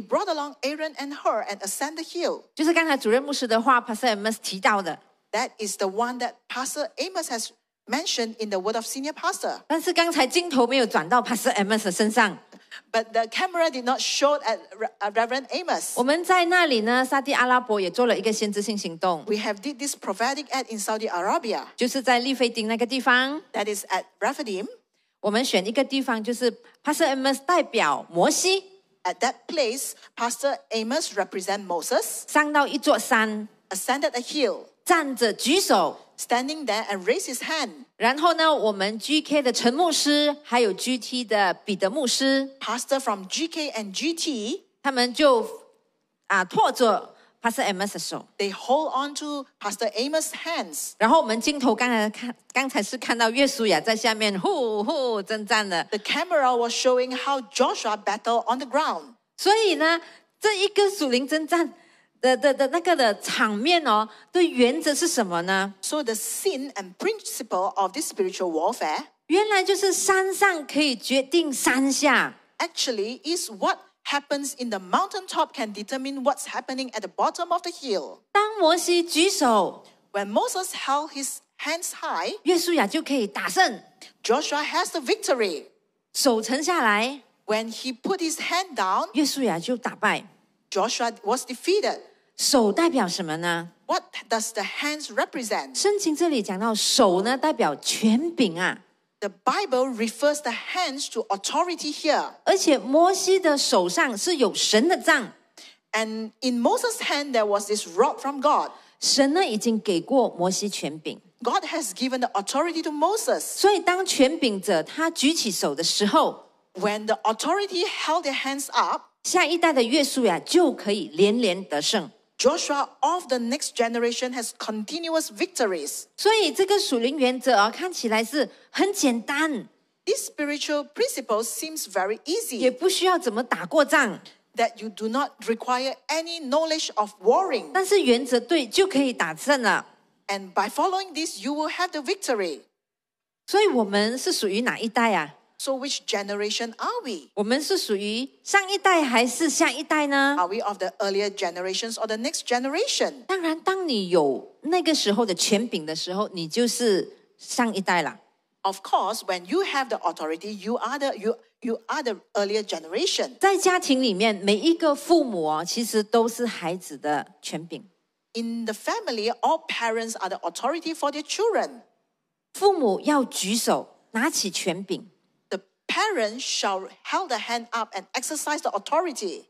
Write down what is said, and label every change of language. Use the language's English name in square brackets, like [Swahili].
[English] brought along Aaron and Hur and ascended the hill. [Chinese] 就是刚才主任牧师的话，Pastor Amos提到的。 [English] That is the one that Pastor Amos has mentioned in the word of senior pastor. [Chinese] 但是刚才镜头没有转到 Pastor Amos身上。 [English] But the camera did not show at Reverend Amos. [Chinese] 我们在那里呢，撒地阿拉伯也做了一个先知性行动。 [English] We have did this prophetic act in Saudi Arabia. [Chinese] 就是在利非丁那个地方。 [English] That is at Rephidim. [Chinese] 我们选一个地方，就是 Pastor Amos 代表摩西。 [English] At that place, Pastor Amos represent Moses. [Chinese] 上到一座山。 [English] Ascended a hill. [Chinese] 站着举手。 [English] standing there and raised his hand. [Chinese] 然后呢，我们 GK 的陈牧师，还有 GT 的彼得牧师 [English] ，Pastor from GK and GT， [Chinese] 他们就啊拖着 Pastor Amos 的手 [English] ，They hold on to Pastor Amos' hands. [Chinese] 然后我们镜头刚才是看到约书亚在下面呼呼征战的。 [English] The camera was showing how Joshua battled on the ground. [Chinese] 所以呢，这一个属灵征战。的那个的场面哦，的原则是什么呢 [English] ？So the scene and principle of this spiritual warfare， [Chinese] 原来就是山上可以决定山下。 [English] Actually, is what happens in the mountain top can determine what's happening at the bottom of the hill。 [Chinese] 当摩西举手 [English] ，When Moses held his hands high， [Chinese] 约书亚就可以打胜。 [English] Joshua has the victory。 [Chinese] 手撑下来 [English] ，When he put his hand down， [Chinese] 约书亚就打败。 [English] Joshua was defeated. [Chinese] 手代表什么呢 [English] ？What does the hands represent? [Chinese] 圣经这里讲到手呢，代表权柄啊。 [English] The Bible refers the hands to authority here. [Chinese] 而且摩西的手上是有神的杖。 [English] And in Moses' hand there was this rod from God. [Chinese] 神呢已经给过摩西权柄。 [English] God has given the authority to Moses. [Chinese] 所以当权柄者他举起手的时候 [English] ，When the authority held their hands up。 [Chinese] 下一代的约书亚就可以连连得胜。 [English] Joshua of the next generation has continuous victories. [Chinese] 所以这个属灵原则、哦、看起来是很简单。 [English] This spiritual principle seems very easy. [Chinese] 也不需要怎么打过仗。 [English] That you do not require any knowledge of warring. [Chinese] 但是原则对就可以打胜了。 [English] And by following this, you will have the victory. [Chinese] 所以我们是属于哪一代啊？ [English] So which generation are we? [Chinese] 我们是属于上一代还是下一代呢 [English] ？Are we of the earlier generations or the next generation? [Chinese] 当然，当你有那个时候的权柄的时候，你就是上一代了。 [English] Of course, when you have the authority, you are the earlier generation. [Chinese] 在家庭里面，每一个父母哦，其实都是孩子的权柄。 [English] In the family, all parents are the authority for their children. [Chinese] 父母要举手，拿起权柄。 [English] Parents shall hold the hand up and exercise the authority